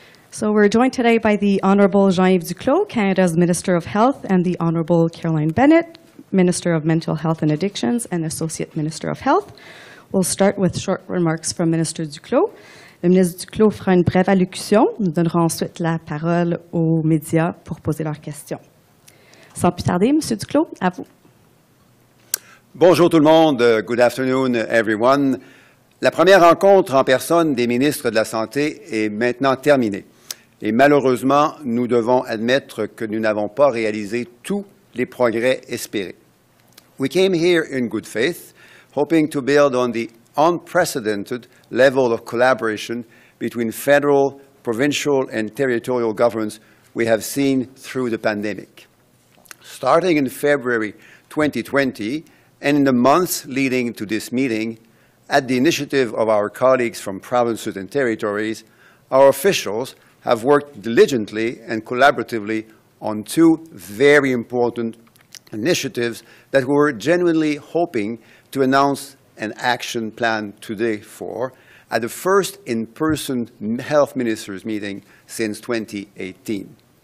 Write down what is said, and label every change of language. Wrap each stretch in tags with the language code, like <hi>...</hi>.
<en>So we're joined today by the Honourable Jean-Yves Duclos, Canada's Minister of Health, and the Honourable Carolyn Bennett, Minister of Mental Health and Addictions and Associate Minister of Health. We'll start with short remarks from Minister Duclos.</en> <fr>Le ministre Duclos fera une brève allocution. Nous donnerons ensuite la parole aux médias pour poser leurs questions. Sans plus tarder, M. Duclos, à vous. Bonjour tout le monde.</fr> <en>Good afternoon, everyone.</en> <fr>La première rencontre en personne des ministres de la Santé est maintenant terminée. Et malheureusement, nous devons admettre que nous n'avons pas réalisé tous les progrès espérés.</fr> <en>We came here in good faith, hoping to build on the unprecedented level of collaboration between federal, provincial, and territorial governments we have seen through the pandemic. Starting in February 2020, and in the months leading to this meeting, at the initiative of our colleagues from provinces and territories, our officials have worked diligently and collaboratively on two very important initiatives that we were genuinely hoping to announce an action plan today for at the first in-person health ministers meeting since 2018.</en>